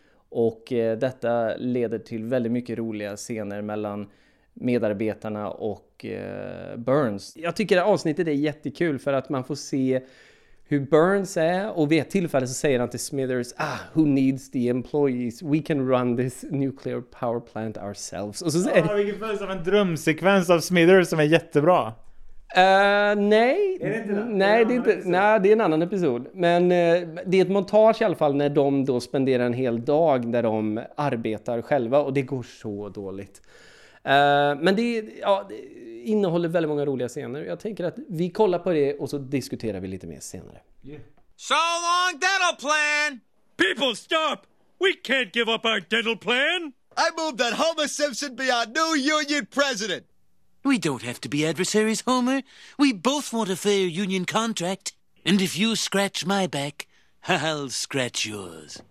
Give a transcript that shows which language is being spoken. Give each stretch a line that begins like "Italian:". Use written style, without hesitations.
Swedish: Och detta leder till väldigt mycket roliga scener mellan medarbetarna och Burns. Jag tycker det avsnittet är jättekul för att man får se hur Burns är och vid ett tillfälle så säger han till Smithers,
English: who needs the employees? We can run this nuclear power plant ourselves.
Swedish: Och så säger Vilken följs av en drömsekvens av Smithers som är jättebra. Det är en annan episod. Men det är ett montage i alla fall när de då spenderar en hel dag där de arbetar själva och det går så dåligt. Men det, ja, det innehåller väldigt många roliga scener. Jag tänker att vi kollar på det och så diskuterar vi lite mer senare.
English: Yeah. So long dental plan! People stop! We can't give up our dental plan! I move that Homer Simpson be our new union president! We don't have to be adversaries, Homer. We both want a fair union contract. And if you scratch my back, I'll scratch yours.